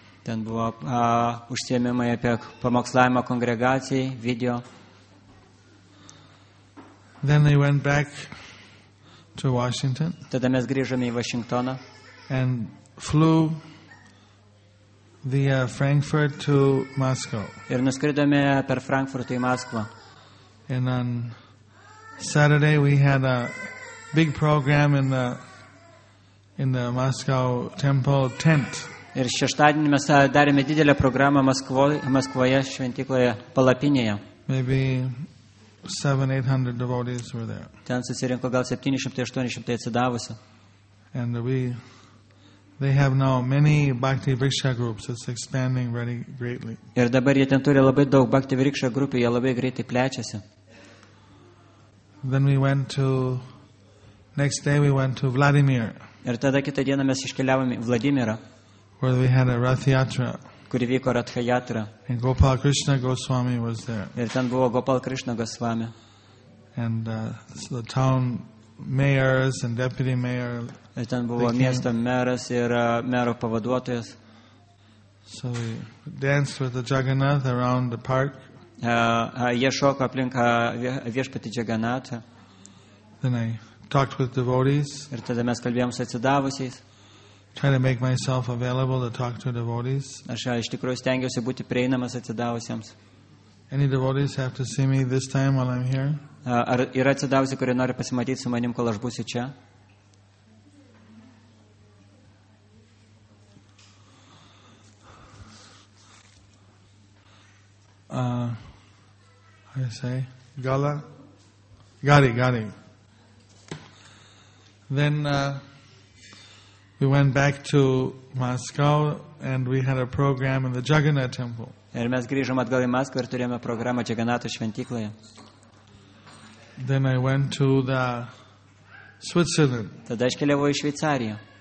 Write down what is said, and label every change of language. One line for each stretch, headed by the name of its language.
Lithuanian: ten buvo užsiėmimai apie pamokslavimą kongregacijai, video.
English: Then they went back to Washington.
Lithuanian: Tada mes grįžome į Vašingtoną.
English: And flew via Frankfurt to Moscow.
Lithuanian: Ir nuskridome per Frankfurtą į Maskvą.
English: And on Saturday we had a big program in the Moscow temple tent.
Lithuanian: Ir šeštadienį mes darėme didelę programą Maskvoje šventykloje palapinėje.
English: Maybe 700-800 devotees were there.
Lithuanian: Ten susirinko gal 700-800 atsidavusių.
English: And they have now many bhakti riksha groups. It's expanding very greatly.
Lithuanian: Ir dabar jie ten turi labai daug bhakti riksha grupių, jie labai greitai plečiasi.
English: Then we went to Next day we went to Vladimir.
Lithuanian: Ir tada kitą dieną mes iškeliavome į Vladimirą.
English: Where we had a Rath Yatra.
Lithuanian: Kur vyko Ratha Yatra.
English: And Gopal Krishna Goswami was there.
Lithuanian: Ir ten buvo Gopal Krishna Goswami.
English: And so the town mayors and deputy mayor.
Lithuanian: Ir ten buvo miesto meras ir mero pavaduotojas.
English: So we danced with the Jagannath around the park.
Lithuanian: Jie šoko aplink viešpatį Jagannatą.
English: Then I talked with devotees.
Lithuanian: Ir tada mes kalbėjom su atsidavusiais.
English: Trying to make myself available to talk to devotees.
Lithuanian: Aš iš tikrųjų stengiuosi būti prieinamas atsidavusiems.
English: Any devotees have to see me this time while I'm here?
Lithuanian: Ar yra atsidavusi, kurie nori pasimatyti su manim, kol aš būsiu čia?
English: How do you say? Gala? Gari. Then we went back to Moscow and we had a program in the Jagannath temple.
Lithuanian: Ir mes grįžom atgal į Maskvą ir turėjome programą Jagannatho šventykloje.
English: Then I went to the Switzerland.
Lithuanian: Tada aš keliavau į Šveicariją.